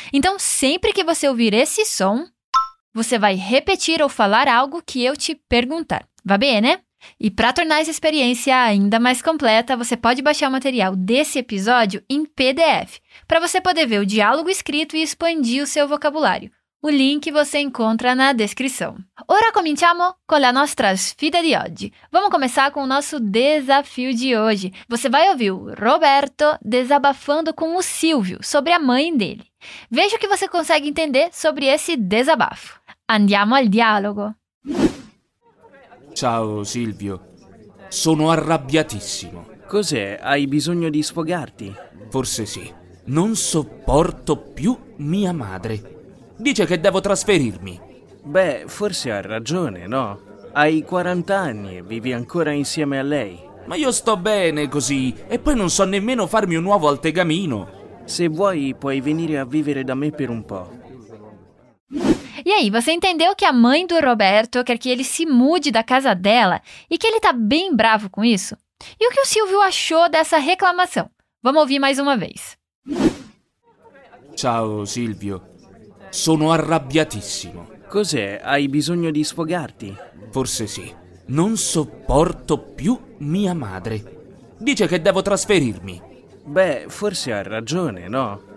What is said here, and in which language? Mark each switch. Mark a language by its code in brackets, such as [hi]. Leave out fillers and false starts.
[pt] Então, sempre que você ouvir esse som, você vai repetir ou falar algo que eu te perguntar. [it] Va bene? [pt] E para tornar essa experiência ainda mais completa, você pode baixar o material desse episódio em PDF, para você poder ver o diálogo escrito e expandir o seu vocabulário. O link você encontra na descrição. [it] Ora cominciamo con la nostra sfida di oggi. [pt] Vamos começar com o nosso desafio de hoje. Você vai ouvir o Roberto desabafando com o Silvio sobre a mãe dele. Veja o que você consegue entender sobre esse desabafo. [it] Andiamo al dialogo. Ciao Silvio, sono arrabbiatissimo. Cos'è? Hai bisogno di sfogarti? Forse sì. Non sopporto più mia madre. Dice che devo trasferirmi. Beh, forse ha ragione, no? Hai 40 anni e vivi ancora insieme a lei. Ma io sto bene così e poi non so nemmeno farmi un nuovo altecamino. Se vuoi puoi venire a vivere da me per un po'. [pt] E aí, você entendeu que a mãe do Roberto quer que ele se mude da casa dela e que ele tá bem bravo com isso? E o que o Silvio achou dessa reclamação? Vamos ouvir mais uma vez. [it] Ciao Silvio, sono arrabbiatissimo. Cos'è? Hai bisogno di sfogarti? Forse sì. Non sopporto più mia madre. Dice che devo trasferirmi. Beh, forse ha ragione, no?